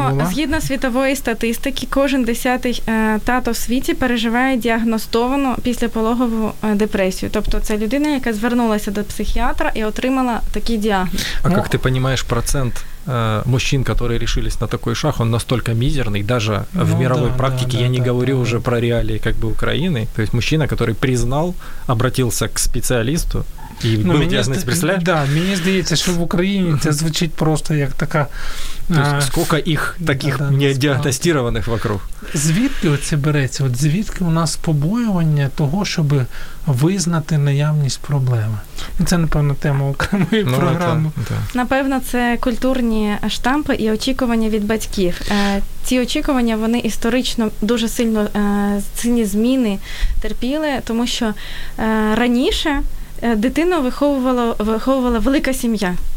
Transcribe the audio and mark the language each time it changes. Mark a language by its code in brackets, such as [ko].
[uk] Згідно світової статистики, кожен 10-й тато в світі переживає діагностовану післяпологову депресію. Тобто це людина, яка звернулася до психіатра і отримала такий діагноз. [ru] А як ти розумієш процент мужчин, которые решились на такой шаг, он настолько мизерный, даже в мировой практике, я не говорю уже про реалии как бы Украины, то есть мужчина, который признал, обратился к специалисту и был диагноз, представляешь? Да, мне кажется, что в Украине это звучит просто как такая... То есть сколько их таких недиагностированных вокруг? [uk] Звідки оце береться? От звідки у нас побоювання того, щоб визнати наявність проблеми? Це, напевно, тема окремої програми. Це, напевно, це культурні штампи і очікування від батьків. Ці очікування, вони історично дуже сильно ці зміни терпіли, тому що раніше дитину виховувала велика сім'я.